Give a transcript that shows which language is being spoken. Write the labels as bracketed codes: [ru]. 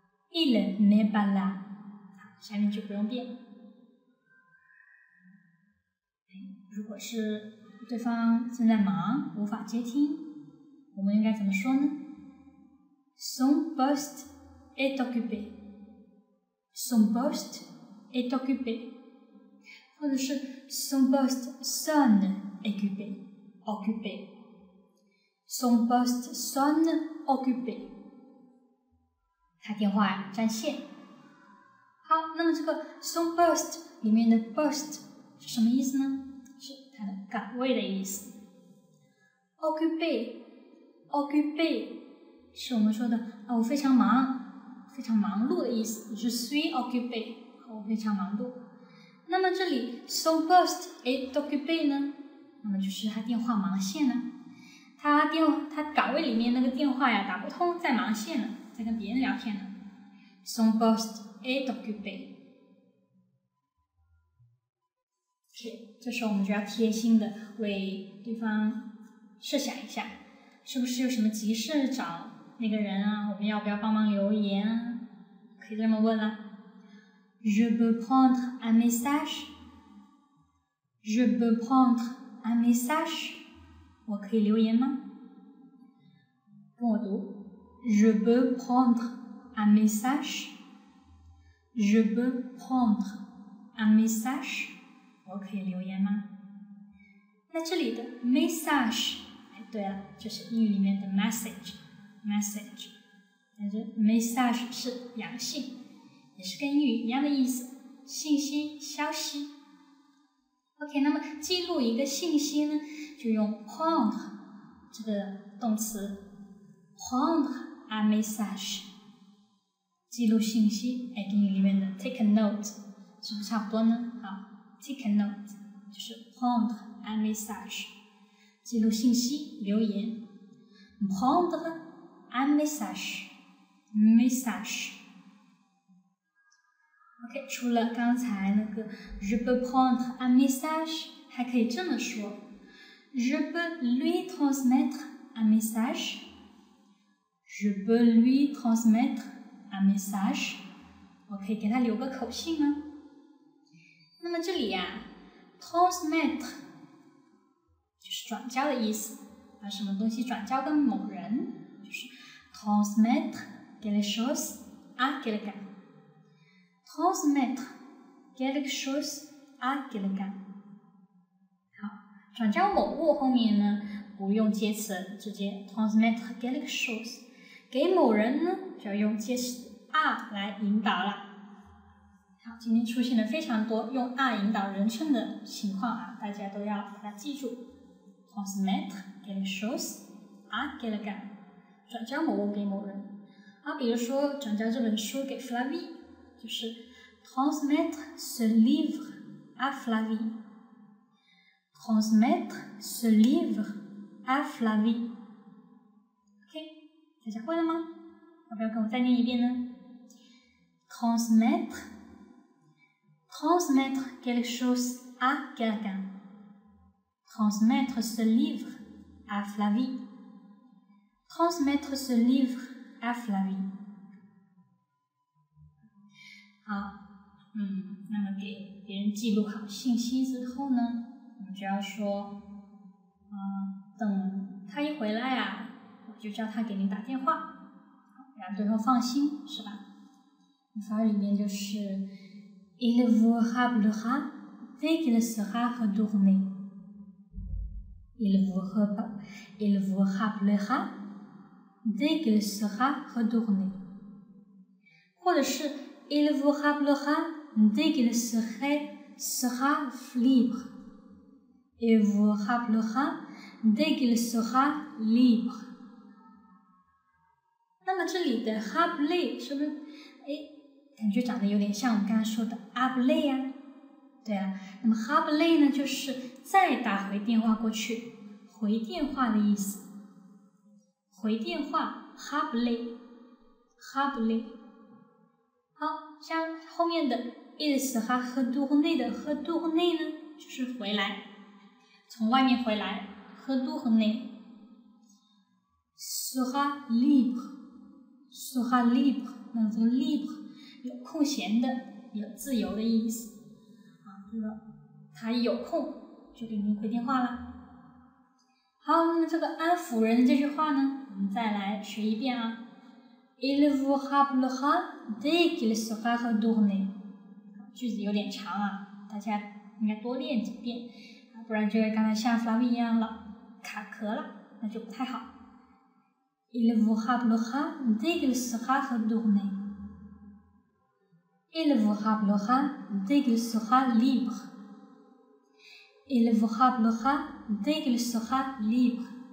[fr] Il n'est pas là. [zh] 下面就不用变。如果是对方正在忙，无法接听，我们应该怎么说呢 ？ [fr] Son poste est occupé. Son poste est occupé. [zh] 或者是 [fr] Son poste sonne occupé. Occupé. Son poste sonne occupé. [zh] 他电话占线。好，那么这个 [fr] son poste [zh] 里面的 poste 是什么意思呢？是他的岗位的意思。occupé 是我们说的啊，我非常忙，非常忙碌的意思，就是 [fr] suis occupé， [zh] 我非常忙碌。那么这里 [fr] son poste est occupé [zh] 呢？那么就是他电话忙线呢？他岗位里面那个电话呀打不通，在忙线呢。在跟别人聊天呢。 [fr] Son poste est occupé. [zh] OK， 这时候我们就要贴心的为对方设想一下，是不是有什么急事找那个人啊？我们要不要帮忙留言啊？可以这么问啦、啊。 [fr] Je peux prendre un message? Je peux prendre un message? [zh] 我可以留言吗？跟我读。 [fr] Je peux prendre un message. Je peux prendre un message. [zh] 我可以留言吗？那这里的 message， 哎，对了，就是英语里面的 message， message。但是 message 是阳性，也是跟英语一样的意思，信息、消息。 OK， 那么记录一个信息呢，就用 prendre 这个动词 ，prendre。 A message， 记录信息，哎，英语里面的 [en] take a note [zh] 是不是差不多呢？好 ， [en] take a note [zh] 就是 [fr] prendre un message， [zh] 记录信息，留言 ，prendre un message。 [fr] OK， [zh] 除了刚才那个 [fr] je peux prendre un message， [zh] 还可以这么说 [fr] ，je peux lui transmettre un message。 Je peux lui transmettre un message. [zh] 我可以给他留个口信吗？那么这里啊 transmettre 就是转交的意思。把什么东西转交给某人，就是 [fr] transmettre quelque chose à quelqu'un. Transmettre quelque chose à quelqu'un. [zh] 好，转交某物后面呢不用介词，直接 [fr] transmettre quelque chose. [zh] 给某人呢就要用介词 à 来引导了。好，今天出现了非常多用 à 引导人称的情况啊，大家都要把它记住。 [fr] Transmettre quelque chose à quelqu'un， [zh] 转交某物给某人。啊，比如说转交这本书给 Flavie， 就是 [fr] transmettre ce livre à Flavie。 Transmettre ce livre à Flavie。 [zh] OK， 大家会了吗？要不要跟我再念一遍呢 ？Transmettre。 [fr] Transmettre quelque chose à quelqu'un. Transmettre ce livre à Flavie. Transmettre ce livre à Flavie. [zh] 好，那么给别人记录好信息之后呢，我们就要说，等他一回来啊，我就叫他给您打电话，让对方放心，是吧？法语里面就是。 [fr] Il vous rappellera dès qu'il sera retourné. Il vous rappellera dès qu'il sera retourné. [zh] 或者是 [fr] Il vous rappellera dès qu'il sera libre. Il vous rappellera dès qu'il sera libre. [zh] 那么这里的 rappeler 是不是？感觉长得有点像我们刚才说的 appeler 啊，对啊，那么 appeler 呢就是再打回电话过去，回电话的意思，回电话 appeler， appeler。好，像后面的 [fr] il sera retourné [zh] 的 retourné 呢就是回来，从外面回来 retourné， [fr] sera libre， [zh] sera libre， 那这个 libre有空闲的，有自由的意思啊，就是他一有空就给您回电话了。好，那么这个安抚人的这句话呢，我们再来学一遍啊。 [fr] Il vous rappellera dès qu'il sera retourné。 [zh] 句子有点长啊，大家应该多练几遍，不然就会刚才像 Flavie 一样了，卡壳了，那就不太好。 [fr] Il vous rappellera dès qu'il sera retourné。 Il vous rappellera dès qu'il sera libre. Il vous rappellera dès qu'il sera libre.